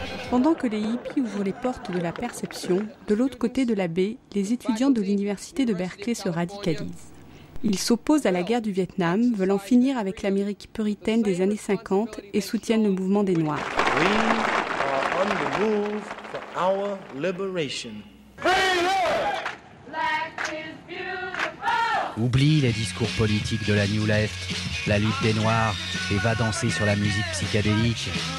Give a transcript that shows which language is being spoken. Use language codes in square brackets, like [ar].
[fr] Pendant que les hippies ouvrent les portes de la perception, de l'autre côté de la baie, les étudiants de l'université de Berkeley se radicalisent. Ils s'opposent à la guerre du Vietnam, veulent en finir avec l'Amérique puritaine des années 50 et soutiennent le mouvement des Noirs. [en] We are on the move for our liberation. [fr] Oublie les discours politiques de la New Left, la lutte des Noirs, et va danser sur la musique psychédélique.